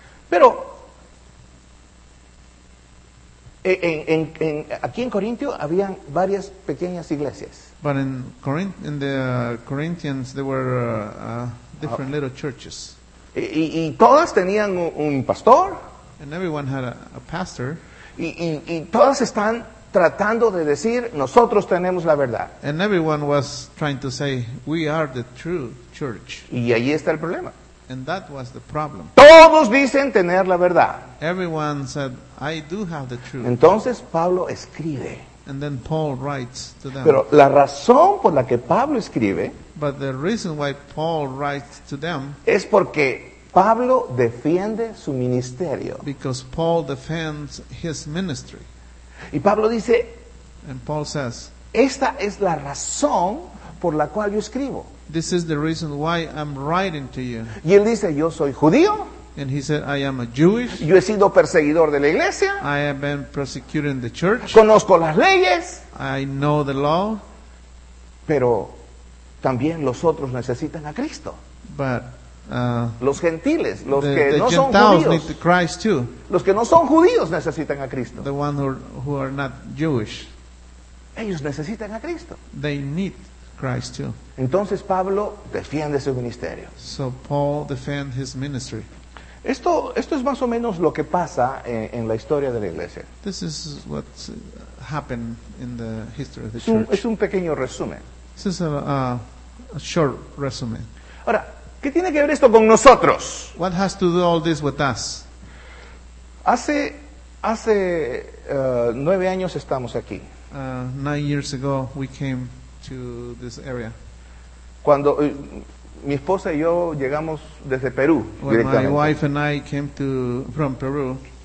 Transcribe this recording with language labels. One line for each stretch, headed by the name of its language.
Spanish: Pero en aquí en Corinto habían varias pequeñas iglesias.
English: But in Corinth, in the Corinthians, there were different little churches.
Spanish: Y todas tenían un pastor.
English: And everyone had a pastor.
Spanish: Y todas están tratando de decir nosotros tenemos la verdad.
English: And everyone was trying to say we are the true church.
Spanish: Y ahí está el problema.
English: And that was the problem.
Spanish: Todos dicen tener la verdad.
English: Everyone said, I do have the truth.
Spanish: Entonces Pablo escribe.
English: And then Paul writes to them.
Spanish: Pero la razón por la que Pablo escribe,
English: but the reason why Paul writes to them,
Spanish: es porque Pablo defiende su ministerio.
English: Because Paul defends his ministry.
Spanish: Y Pablo dice,
English: and Paul says,
Spanish: esta es la razón por la cual yo escribo.
English: This is the reason why I'm writing to you.
Spanish: Y él dice, yo soy judío.
English: And he said, I am a Jewish.
Spanish: Yo he sido perseguidor de la iglesia.
English: I have been persecuting the church.
Spanish: Conozco las leyes.
English: I know the law.
Spanish: Pero también los otros necesitan a Cristo.
English: But
Spanish: los gentiles, los
English: the,
Spanish: que
English: the
Spanish: no
English: Gentiles
Spanish: son judíos.
English: Need the Christ too.
Spanish: Los que no son judíos necesitan a Cristo.
English: The one who are not Jewish.
Spanish: Ellos necesitan a Cristo.
English: They need Christ too.
Spanish: Entonces Pablo defiende su ministerio.
English: So Paul defend his ministry.
Spanish: Esto es más o menos lo que pasa en la historia de la iglesia.
English: This is what happened in the history of the church.
Spanish: Es un pequeño resumen.
English: This is a short resume.
Spanish: Ahora, ¿qué tiene que ver esto con nosotros?
English: What has to do all this with us?
Spanish: Hace 9 años estamos aquí.
English: 9 years ago we came to this area.
Spanish: Cuando mi esposa y yo llegamos desde Perú.
English: My wife and I came to from Peru.